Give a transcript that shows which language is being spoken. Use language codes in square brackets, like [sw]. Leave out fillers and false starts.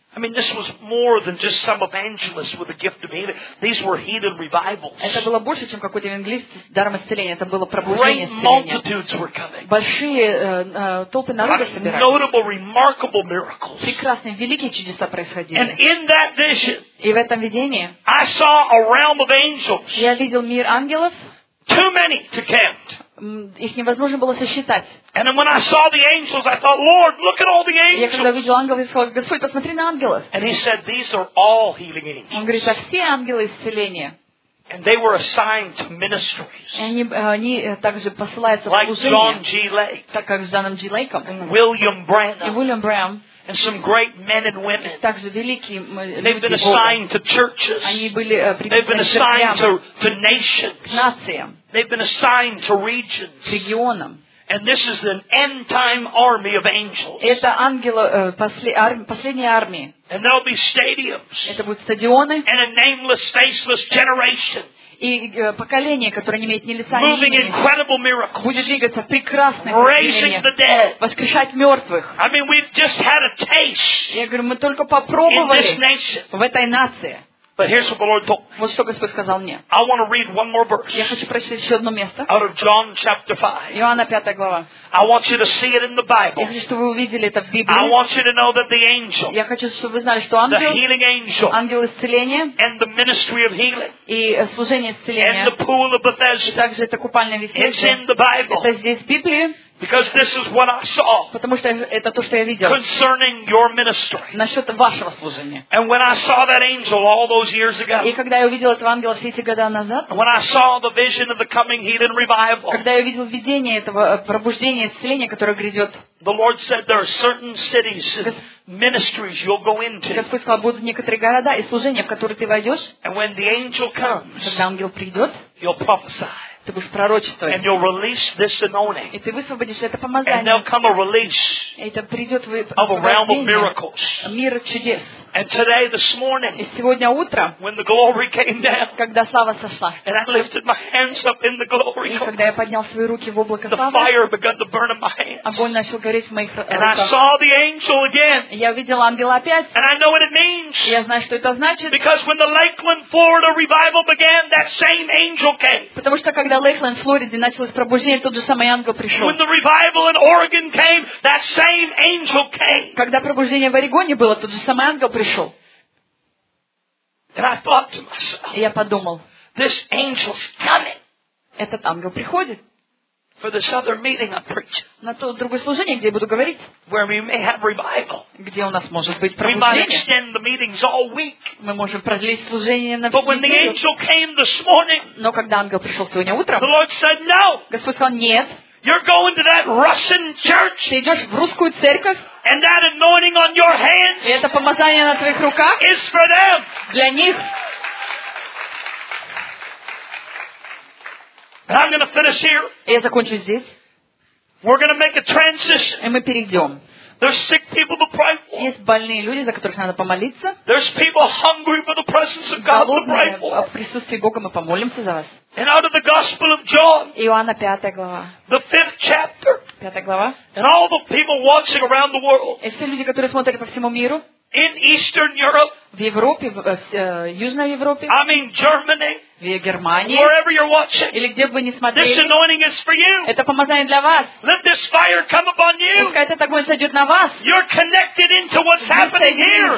[en] I mean, this was more than just some evangelist with a gift of healing. These were healing revivals. [ru] Это было больше, чем какой-то евангелист с даром исцеления. Это было пробуждение исцеления. [en] Great multitudes were coming. [ru] Большие толпы народа собирались. [en] Notable, remarkable miracles. [ru] Прекрасные, великие чудеса происходили. [en] And in that vision, [ru] и в этом видении, [en] I saw a realm of angels. [ru] Я видел мир ангелов. [en] Too many to count. [ru] Их невозможно было сосчитать. [en] And when I saw the angels, I thought, Lord, look at all the angels. [ru] Я когда видел ангелов, я сказал, Господь, посмотри на ангелов. [en] And he said, these are all healing angels. [ru] Он говорит, а все ангелы исцеления. [en] And they were assigned to ministries. [ru] И они также посылаются [en] like [ru] в служение. [en] John G. Lake. [ru] Так как с Джоном Джи Лейком. [en] And William Branham. [ru] И Уильям Брэнам. [en] And some great men and women. [ru] Также великие люди. [en] They've been assigned to churches. [ru] Они были [en] They've been assigned to nations. [ru] Нациям. [en] They've been assigned to regions. [ru] Регионам. [en] And this is an end-time army of angels. [ru] Это ангелы последней армии. [en] And there'll be stadiums. [ru] Это будут стадионы. [en] And a nameless, faceless generation. [ru] И поколение, которое не имеет ни лица, [en] Moving [ru] ни имени, будет двигаться в прекрасных изменениях, воскрешать мертвых. [en] I mean, we've just had a taste. [ru] Я говорю, мы только попробовали в этой нации. [en] But here's what the Lord told me. [ru] Вот что Господь сказал мне. [en] I want to read one more verse. [ru] Я хочу прочитать еще одно место. [en] Out of John chapter 5. [ru] Иоанна 5 глава. [en] I want you to see it in the Bible. [ru] Я хочу, чтобы вы увидели это в Библии. [en] I want you to know that the angel. [ru] Я хочу, чтобы вы знали, что ангел. [en] The healing angel. [ru] Ангел исцеления. [en] And the ministry of healing. [ru] И служение исцеления. [en] And the pool of Bethesda. [ru] И также это купальня Вифлеем. [en] It's in the Bible. [ru] Это здесь в Библии. [en] Because this is what I saw. [ru] Потому что это то, что я видел. [en] Concerning your ministry. [ru] Насчет вашего служения. [en] And when I saw that angel all those years ago. [ru] И когда я увидел этого ангела все эти года назад. [en] When I saw the vision of the coming heathen revival. [ru] Когда я видел видение этого пробуждения, исцеления, которое грядет. [en] The Lord said there are certain cities. Ministries you'll go into. [ru] Господь сказал, будут некоторые города и служения, в которые ты войдешь. [en] And when the angel comes, [ru] когда ангел придет, [en] you'll prophesy. [ru] Ты будешь пророчествовать. [en] And you'll release this anointing. [ru] И ты высвободишь это помазание. [en] And there'll come a release. [ru] Это придет [en] of a realm of miracles. [ru] Мир чудес. [en] And today, this morning, [ru] и сегодня утром, [en] when the glory came down, [ru] когда слава сошла, [en] and I lifted my hands up in the glory, [ru] и когда я поднял свои руки в облако славы, [en] the fire began to burn in my hands. [ru] Огонь начал гореть в моих руках. [en] And I saw the angel again. [ru] Я видел ангела опять. [en] And I know what it means. [ru] Я знаю, что это значит. [en] Because when the Lakeland, Florida revival began, that same angel came. [ru] Потому что когда Лейкленд, Флориде началось пробуждение, тот же самый ангел пришел. [en] When the revival in Oregon came, that same angel came. [ru] Когда пробуждение в Орегоне было, тот же самый ангел пришел. [en] And I thought to myself, [ru] я подумал, [en] this angel's coming. [ru] Этот ангел приходит. [en] For this other meeting I'm preaching. [ru] На то другое служение, где я буду говорить. [en] Where we may have revival. [ru] Где у нас может быть пробуждение. [en] We might extend the meetings all week. [ru] Мы можем продлить служение на всю неделю. [en] But when the angel came this morning, [ru] но когда ангел пришел сегодня утром, [en] the Lord said no. [ru] Господь сказал нет. [en] You're going to that Russian church. [ru] Ты идешь в русскую церковь. [en] And that anointing on your hands [ru] и это помазание на твоих руках [en] is for them. [ru] Для них. [en] And I'm gonna finish here. [ru] И я закончу здесь. [en] We're gonna make a transition. [ru] И мы перейдем. [en] There's sick people to pray for. [ru] Есть больные люди, за которых надо помолиться. [en] There's people hungry for the presence of God to pray for. [ru] В присутствии Бога мы помолимся за вас. [en] And out of the Gospel of John, [ru] Иоанна 5 глава, [en] the 5th chapter, [ru] 5 глава, [en] and all the people watching around the world, [ru] и все люди, которые смотрят по всему миру, [en] in Eastern Europe, [ru] в Европе, Южной Европе, [en] I mean Germany, [ru] в Германии, [en] wherever you're watching, [ru] или где бы вы ни смотрели, [en] this anointing is for you. [ru] Это помазание для вас. [en] Let this fire come upon you. [ru] Пускай этот огонь сойдет на вас. [en] You're connected into what's happening here.